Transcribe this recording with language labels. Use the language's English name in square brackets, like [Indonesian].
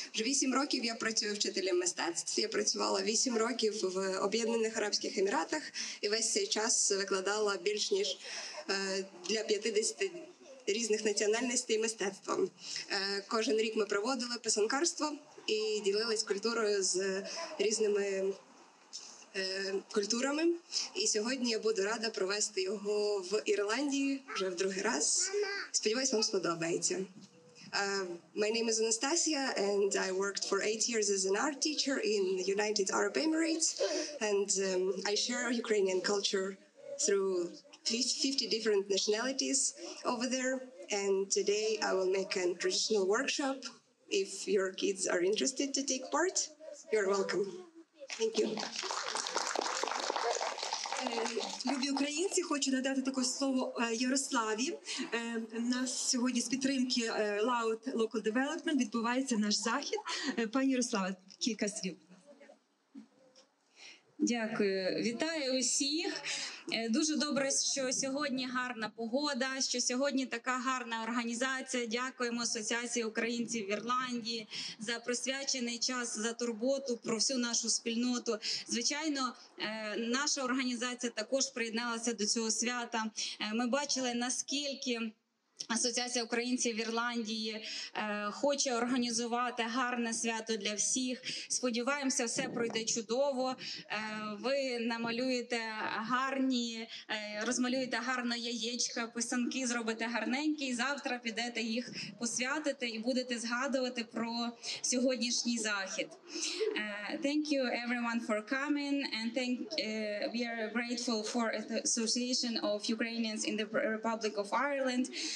[Ukrainian] Вже 8 років я працюю вчителем мистецтв. Я працювала 8 років в Об'єднаних Арабських Еміратах і весь цей час викладала більш ніж для 50 різних національностей мистецтвом. Кожен рік ми проводили писанкарство і ділились культурою з різними культурами. І сьогодні я буду рада провести його в Ірландії вже в другий раз. Сподіваюсь, вам сподобається. [English] My name is Anastasia and I worked for 8 years as an art teacher in the United Arab Emirates and I share Ukrainian culture through 50 different nationalities over there and today I will make a traditional workshop. If your kids are interested to take part, you're welcome. Thank you. [Ukrainian] Любі українці, хочу надати таке слово Ярославі. У нас сьогодні з підтримки Loud Local Development відбувається наш захід. Пані Ярослава, кілька слів. Дякую. Вітаю усіх. Дуже добре, що сьогодні гарна погода, що сьогодні така гарна організація. Дякуємо Асоціації українців в Ірландії за присвячений час, за турботу про всю нашу спільноту. Звичайно, наша організація також приєдналася до цього свята. Ми бачили, наскільки Асоціація українців в Ірландії хоче організувати гарне свято для всіх. Сподіваємося, все пройде чудово. Ви намалюєте гарні, розмалюєте гарно яєчко, писанки зробите гарненькі, і завтра підете їх посвятити і будете згадувати про сьогоднішній захід. [English] Thank you everyone for coming and thank we are grateful for the Association of Ukrainians in the Republic of Ireland.